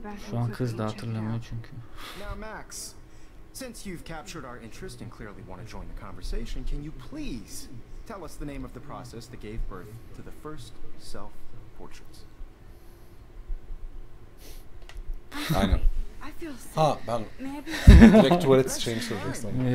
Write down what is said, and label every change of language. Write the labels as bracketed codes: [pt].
[tr] Şu an kız da hatırlamıyor çünkü. [en] Since you've captured our interest and clearly want to join the conversation, can you please tell us the name of the process that gave birth to the first self-portraits? [tr] Aynen. Ha, ben direkt tuvalet şeyini soracaktım.